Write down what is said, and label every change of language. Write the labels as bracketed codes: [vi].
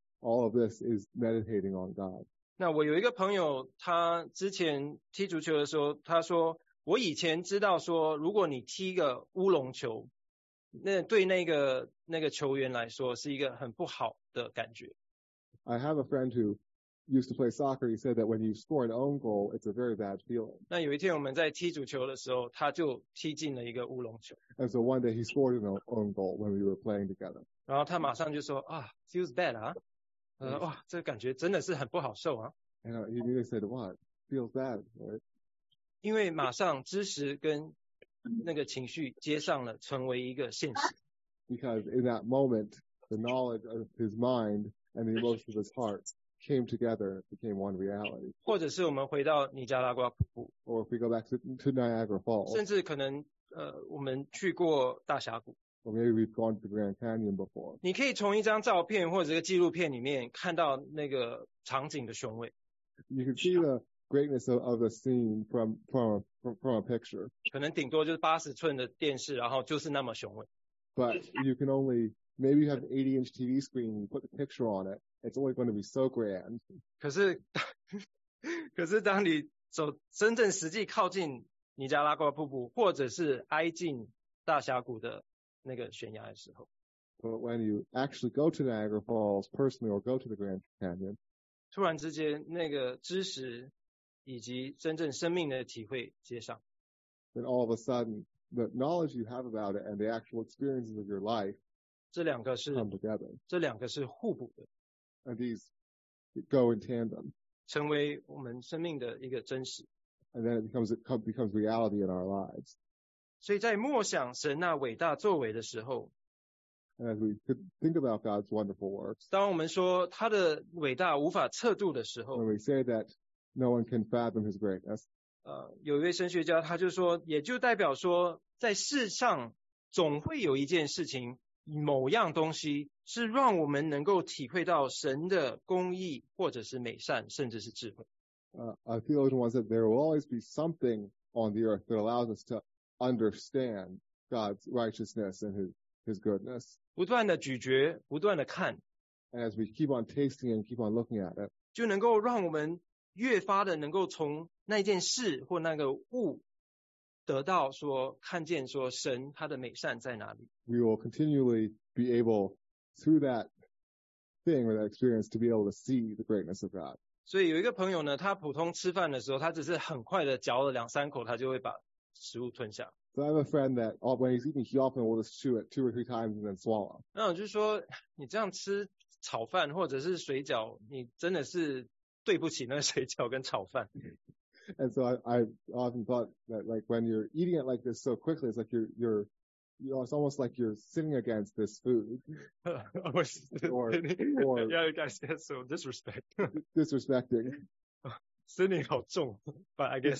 [en] All of this is meditating on God. [zh] 那我有一个朋友，他之前踢足球的时候，他说，我以前知道说，如果你踢一个乌龙球，那对那个球员来说是一个很不好的感觉。 [en] I have a friend who used to play soccer. He said that when you score an own goal, it's a very bad feeling. [zh] 那有一天我们在踢足球的时候，他就踢进了一个乌龙球。 [en] And so one day he scored an own goal when we were playing together. [zh] 然后他马上就说，啊， [en] feels bad [zh] 啊，哇，这感觉真的是很不好受啊。 [en] And he immediately said, what? Feels bad, right? [zh] 因为马上知识跟那个情绪接上了，成为一个现实。 [en] Because in that moment, the knowledge of his mind and the emotion of his heart came together and became one reality. [zh] 或者是我们回到尼加拉瓜瀑布。 [en] Or if we go back to Niagara Falls. [zh] 甚至可能我们去过大峡谷。 [en] Or maybe we've gone to the Grand Canyon before. [zh] 你可以从一张照片或者一个纪录片里面看到那个场景的雄伟。 [en] You can see the greatness of the scene from a picture. [zh] 可能顶多就是80寸的电视，然后就是那么雄伟。 [en] But you can only maybe you have an 80-inch TV screen, you put the picture on it, it's only going to be so grand. [zh] 可是当你走真正实际靠近尼加拉瓜瀑布，或者是挨近大峡谷的那个悬崖的时候。 [en] But when you actually go to Niagara Falls personally or go to the Grand Canyon, [zh] 突然之间那个知识以及真正生命的体会接上。 [en] Then all of a sudden, the knowledge you have about it and the actual experiences of your life, [zh] 这两个是互补的。 [en] And these go in tandem. [zh] 成为我们生命的一个真实。 [en] And then it becomes reality in our lives. [zh] 所以在默想神那伟大作为的时候， [en] And as we could think about God's wonderful works, [zh] 当我们说他的伟大无法测度的时候， [en] When we say that no one can fathom his greatness, [zh] 有一位神学家他就说，也就代表说在世上总会有一件事情，某样东西是让我们能够体会到神的公义或者是美善甚至是智慧。 [en] A theologian once said there will always be something on the earth that allows us to understand God's righteousness and his goodness. [zh] 不断的咀嚼，不断的看。 [en] And as we keep on tasting and keep on looking at it, [zh] 就能够让我们越发的能够从那件事或那个物得到说看见说神他的美善在哪里。 [en] We will continually be able through that thing or that experience to be able to see the greatness of God. [zh] 所以有一个朋友呢，他普通吃饭的时候，他只是很快的嚼了两三口，他就会把食物吞下。 [en] So I have a friend that when he's eating, he often will just chew it two or three times and then swallow. [zh] 那就是说，你这样吃炒饭或者是水饺，你真的是对不起那个水饺跟炒饭。 [en] And so I often thought that like when you're eating it like this so quickly, it's like it's almost like you're sinning against this food. or yeah, you guys, that's so disrespect. disrespecting. Sinning [zh] 好重, [en] but I guess,